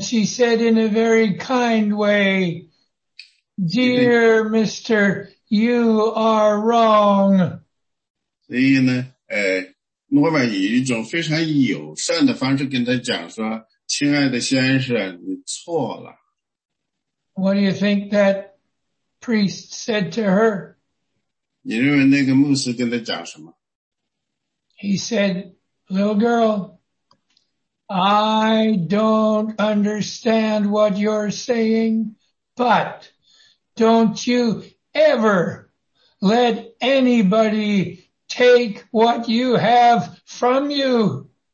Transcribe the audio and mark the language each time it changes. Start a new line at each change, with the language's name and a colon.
English: she said in a very kind way, Dear mister, you are wrong.
Chinese: 所以呢，诺曼以一种非常友善的方式跟他讲说，亲爱的先生，你错了。
English: What do you think that priest said to her?
Chinese: 你认为那个牧师跟他讲什么？
English: He said, little girl, I don't understand what you're saying, but don't you ever let anybody take what you have from you.